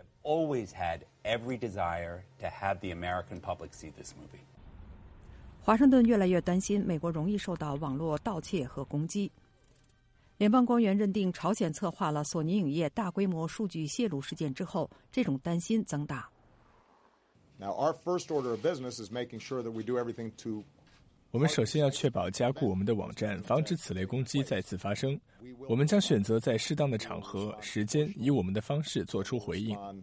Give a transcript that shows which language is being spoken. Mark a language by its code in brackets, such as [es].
[zh] 华盛顿越来越担心美国容易受到网络盗窃和攻击。联邦官员认定朝鲜策划了索尼影业大规模数据泄露事件之后，这种担心增大。 [en] Now, our first order of business is making sure that we do everything to... [zh] 我们首先要确保加固我们的网站，防止此类攻击再次发生。我们将选择在适当的场合、时间，以我们的方式做出回应。